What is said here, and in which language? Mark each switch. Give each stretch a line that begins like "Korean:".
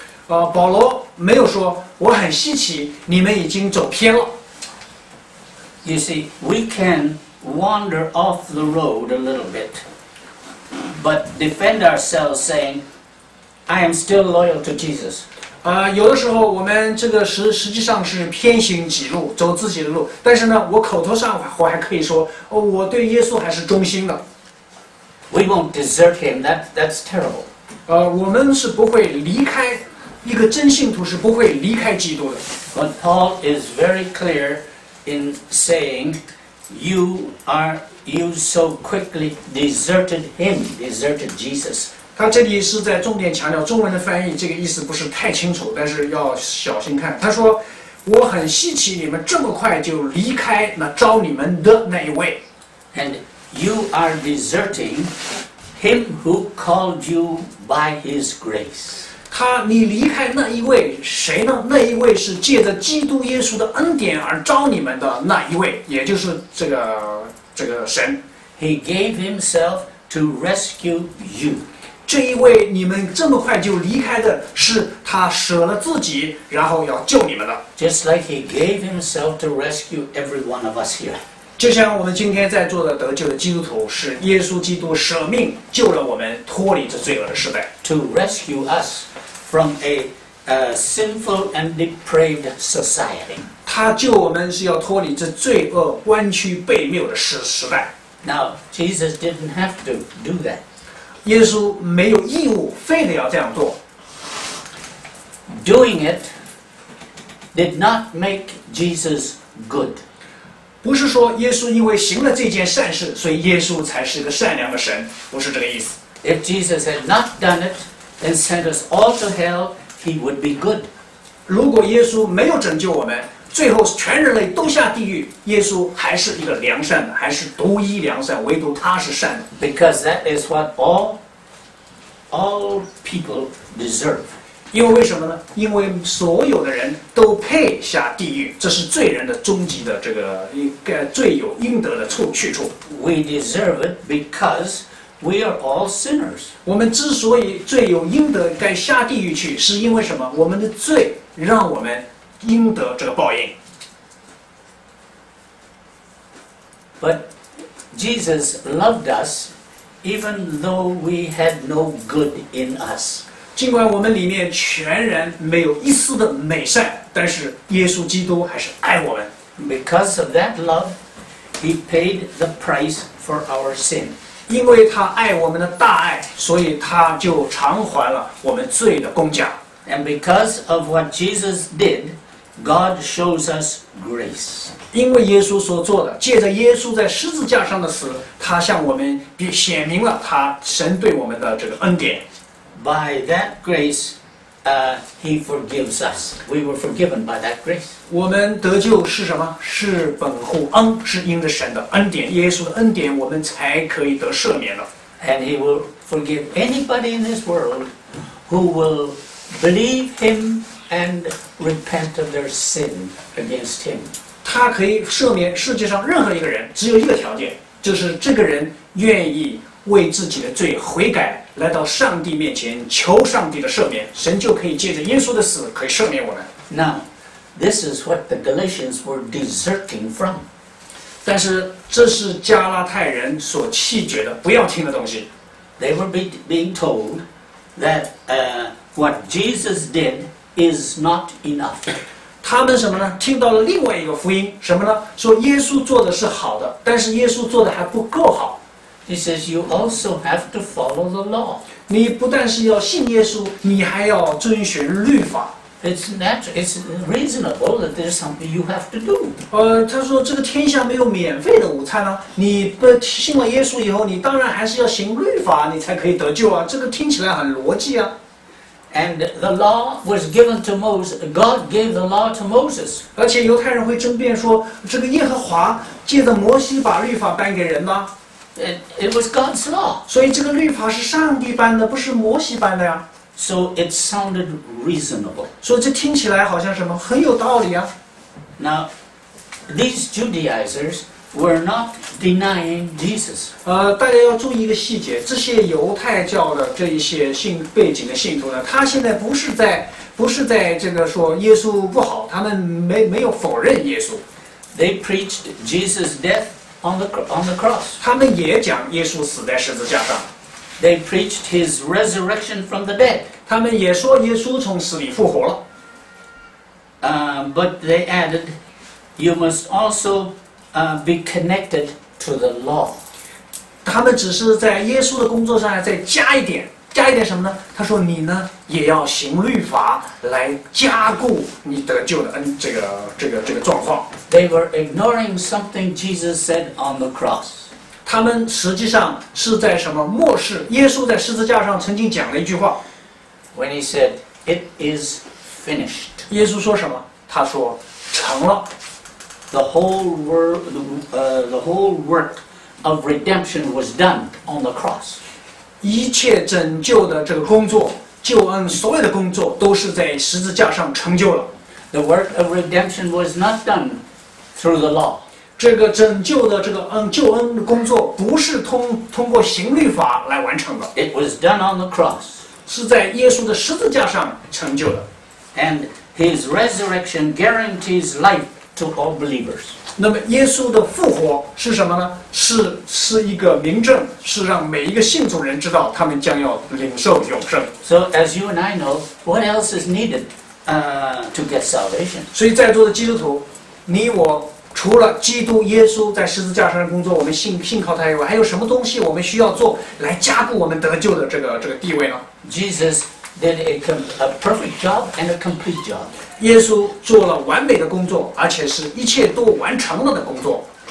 Chinese: 保罗没有说我很稀奇你们已经走偏了。
English: You see, we can wander off the road a little bit, but defend ourselves saying, I am still loyal to Jesus.
Chinese: 有的时候我们这个实际上是偏行己路，走自己的路。但是呢，我口头上我还可以说，哦，我对耶稣还是忠心的。
English: We won't desert him. That's terrible.
Chinese: 我们是不会离开一个真信徒，是不会离开基督的。
English: But Paul is very clear in saying, you so quickly deserted him, deserted Jesus.
Chinese: 他这里是在重点强调中文的翻译，这个意思不是太清楚，但是要小心看。他说：“我很稀奇你们这么快就离开那招你们的那一位。”
English: And you are deserting him who called you by his grace.
Chinese: 他你离开那一位谁呢？那一位是借着基督耶稣的恩典而招你们的那一位，也就是这个神。
English: He gave himself to rescue you.
Chinese: 这一位你们这么快就离开的是他舍了自己，然后要救你们的。
English: Just like he gave himself to rescue every one of us here.
Chinese: 就像我们今天在座的得救的基督徒，是耶稣基督舍命救了我们，脱离这罪恶的时代。
English: To rescue us from a sinful and depraved society.
Chinese: 他救我们是要脱离这罪恶弯曲悖谬的时代。
English: Now, Jesus didn't have to do that.
Chinese: 耶稣没有义务非得要这样做。
English: Doing it did not make Jesus good.
Chinese: 不是说耶稣因为行了这件善事，所以耶稣才是个善良的神，不是这个意思。
English: If Jesus had not done it and sent us all to hell, he would be good.
Chinese: 如果耶稣没有拯救我们，最后全人类都下地狱，耶稣还是一个良善的，还是独一良善，唯独他是善的。
English: Because that is what all people deserve.
Chinese: 因为什么呢？因为所有的人都配下地狱，这是罪人的终极的这个罪有应得的去处。
English: We deserve it because we are all sinners.
Chinese: 我们之所以罪有应得该下地狱去，是因为什么？我们的罪让我们应得这个报应。
English: But Jesus loved us even though we had no good in us.
Chinese: 尽管我们里面全然没有一丝的美善，但是耶稣基督还是爱我们。
English: Because of that love, he paid the price for our sin.
Chinese: 因为他爱我们的大爱，所以他就偿还了我们罪的工价。
English: And because of what Jesus did,God shows us grace.
Chinese: 因为耶稣所做的，借着耶稣在十字架上的死，他向我们显明了他神对我们的这个恩典。
English: By that grace, he forgives us. We were forgiven by that grace.
Chinese: 我们得救是什么？是本乎恩，是因着神的恩典，耶稣的恩典，我们才可以得赦免了。
English: And he will forgive anybody in this world who will believe him. And repent of their sin against him.
Chinese: 他可以赦免世界上任何一个人，只有一个条件，就是这个人愿意为自己的罪悔改，来到上帝面前求上帝的赦免，神就可以借着耶稣的死可以赦免我们。
English: Now, this is what the Galatians were deserting from.
Chinese: 但是这是加拉太人所弃绝的，不要听的东西。
English: They were being told that what Jesus did. Is not enough.
Chinese: 他们什么呢？听到了另外一个福音，什么呢？说耶稣做的是好的，但是耶稣做的还不够好。
English: He says you also have to follow the law.
Chinese: 你不但是要信耶稣，你还要遵循律法。
English: It's natural. It's reasonable that there's something you have to do.
Chinese: 他说这个天下没有免费的午餐啊！你不信了耶稣以后，你当然还是要行律法，你才可以得救啊！这个听起来很逻辑啊。
English: And the law was given to Moses. God gave the law to Moses.
Chinese: 而且犹太人会争辩说，这个耶和华借着摩西把律法颁给人吗？
English: It was God's law.
Chinese: 所以这个律法是上帝颁的，不是摩西颁的呀。
English: So it sounded reasonable.
Chinese: 所以这听起来好像什么很有道理啊。
English: Now, these Judaizers were not denying Jesus.
Chinese: 大家要注意一个细节，这些犹太教的这一些信背景的信徒呢，他现在不是在这个说耶稣不好，他们没有否认耶稣。
English: They preached Jesus' death on the cross.
Chinese: 他们也讲耶稣死在十字架上。
English: They preached his resurrection from the dead.
Chinese: 他们也说耶稣从死里复活了。
English: But they added, you must also be connected to the law.
Chinese: 他们只是在耶稣的工作上再加一点什么呢？他说你呢也要行律法来加固你得救的这个状况。
English: They were ignoring something Jesus said on the cross.
Chinese: 他们实际上是在什么漠视耶稣在十字架上曾经讲了一句话。
English: When he said, "It is finished."
Chinese: 耶稣说什么？他说成了。
English: The whole work of redemption was done on the cross.
Chinese: 一切拯救的这个工作救恩所有的工作都是在十字架上成就了。
English: The work of redemption was not done through the law.
Chinese: 这个拯救的这个救恩的工作不是通过刑律法来完成的。
English: It was done on the cross.
Chinese: 是在耶稣的十字架上成就的。
English: And his resurrection guarantees life to all believers.
Chinese: 那么耶稣的复活是什么呢？是一个明证，是让每一个信主人知道他们将要领受永生。
English: So as you and I know, what else is needed? To get salvation.
Chinese: 所以在座的基督徒，你我除了基督耶稣在十字架上的工作，我们信靠他以外，还有什么东西我们需要做来加固我们得救的这个地位呢？
English: Jesus did a perfect job and a complete job.
Chinese: 耶稣做了完美的工作，而且是一切都完成了的工作。